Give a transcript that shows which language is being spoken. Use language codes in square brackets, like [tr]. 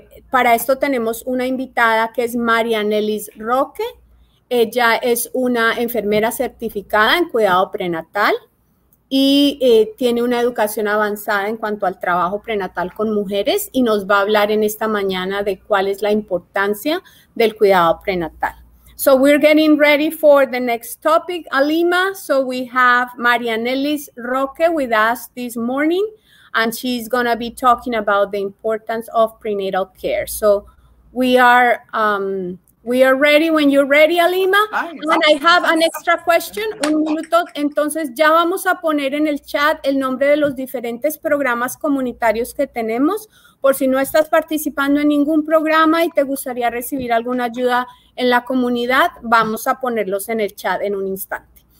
[es] Para esto tenemos una invitada que es Marianelis Roque. Ella es una enfermera certificada en cuidado prenatal y tiene una educación avanzada en cuanto al trabajo prenatal con mujeres y nos va a hablar en esta mañana de cuál es la importancia del cuidado prenatal. [en] So we're getting ready for the next topic, Alima. So we have Marianelis Roque with us this morning, and she's going to be talking about the importance of prenatal care. So we are ready when you're ready, Alima. And I have an extra question. [es] Un minuto. Entonces ya vamos a poner en el chat el nombre de los diferentes programas comunitarios que tenemos. Por si no estás participando en ningún programa y te gustaría recibir alguna ayuda en la comunidad, vamos a ponerlos en el chat en un instante.